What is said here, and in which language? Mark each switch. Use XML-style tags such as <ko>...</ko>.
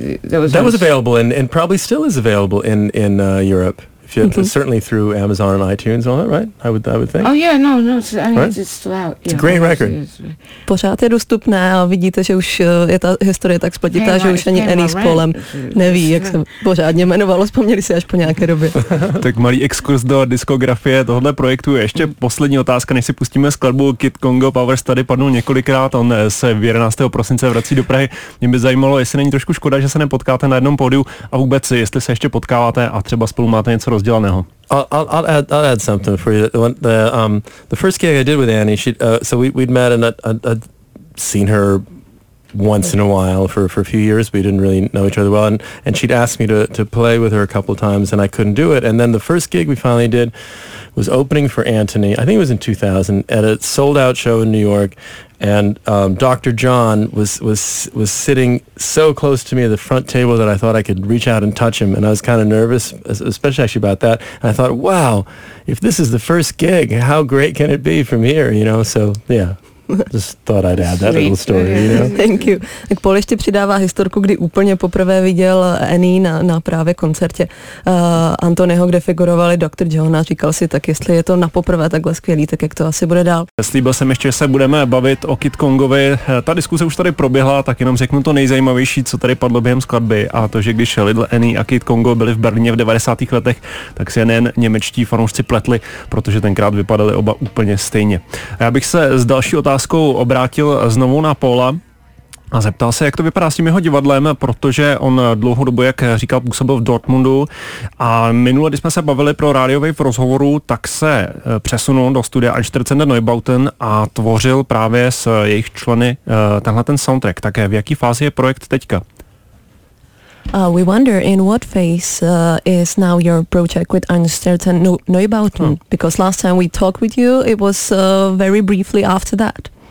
<en>That was available and probably still is available in Europe. If you certainly through Amazon and iTunes and all that, right? I would think. Oh yeah, no, it's still out. It's a great record.</en> <cs>Pořád je dostupné a vidíte, že už je ta historie tak spletitá, že už ani Annie s Paulem neví, jak se pořádně jmenovalo, vzpomněli si až po nějaké době. Tak malý exkurs do diskografie tohle projektu. Ještě poslední otázka, než si pustíme skladbu Kid Congo Powers, tady padnul několikrát, on se 11. prosince vrací do Prahy. Mě by zajímalo, jestli není trošku škoda, že se nepotkáte na jednom pódiu a vůbec, jestli se ještě potkáváte a třeba spolu máte něco rozdělaného.</cs> <en>I'll add something for you. The first gig I did with Annie, we'd met and I'd seen her once in a while for a few years. We didn't really know each other well, and she'd asked me to play with her a couple of times, and I couldn't do it. And then the first gig we finally did was opening for Anthony. I think it was in 2000 at a sold out show in New York, and Dr. John was sitting so close to me at the front table that I thought I could reach out and touch him, and I was kind of nervous, especially actually about that. And I thought, wow, if this is the first gig, how great can it be from here? You know, so yeah. Just thought I'd add that little story, you know? Thank you.</en> <cs>Tak Paul ještě přidává historku, kdy úplně poprvé viděl Annie na právě koncertě Anthonyho, kde figurovali Dr. John, a říkal si, tak jestli je to na poprvé takhle skvělý, tak jak to asi bude dál. Slíbil jsem ještě, že se budeme bavit o Kid Congovi. Ta diskuse už tady proběhla, tak jenom řeknu to nejzajímavější, co tady padlo během skladby, a to, že když Little Annie a Kid Congo byli v Berlíně v 90. letech, tak si jen němečtí fanoušci pletli, protože tenkrát vypadali oba úplně stejně. A já bych se z další otázkou obrátil znovu na Paula a zeptal se, jak to vypadá s tím jeho divadlem, protože on dlouhodobu, jak říkal, působil v Dortmundu, a minule, když jsme se bavili pro Radio Wave v rozhovoru, tak se přesunul do studia Einstürzende Neubauten a tvořil právě s jejich členy tenhle ten soundtrack. Tak v jaký fázi je projekt teďka?</cs> <en>We wonder in what phase is now your project with Einstürzende Neubauten, because last time we talked with you, it was very briefly after that.</en>